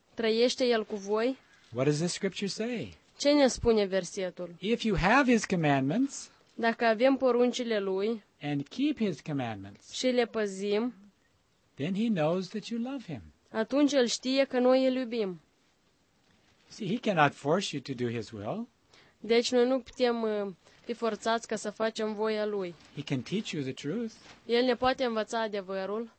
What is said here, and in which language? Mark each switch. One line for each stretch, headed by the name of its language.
Romanian: Trăiește el cu voi?
English: What does the scripture say?
Romanian: Ce ne spune versetul?
English: If you have his commandments,
Romanian: dacă avem poruncile lui,
English: and keep his commandments,
Romanian: și le păzim,
English: then he knows that you love him.
Romanian: Atunci el știe că noi îl iubim.
English: See, he cannot force you to do his will.
Romanian: Deci noi nu putem fi forțați ca să facem voia lui.
English: He can teach you the truth.
Romanian: El ne poate învăța adevărul.